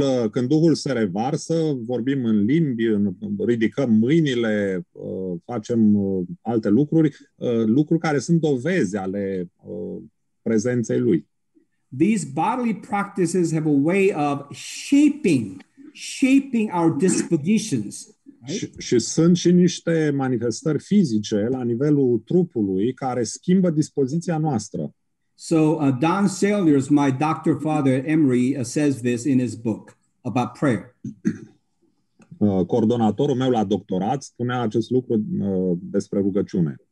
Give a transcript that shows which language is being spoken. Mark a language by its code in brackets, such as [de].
[ro] Când Duhul se revarsă, vorbim în limbi, ridicăm mâinile, facem alte lucruri, lucruri care sunt dovezi ale prezenței Lui. [en] These bodily practices have a way of shaping our dispositions. Right? [ro] Și sunt și niște manifestări fizice la nivelul trupului care schimbă dispoziția noastră. [en] So Don Saliers, my doctor father at Emory, says this in his book about prayer. [ro] Coordonatorul meu la doctorat spunea acest lucru despre rugăciune.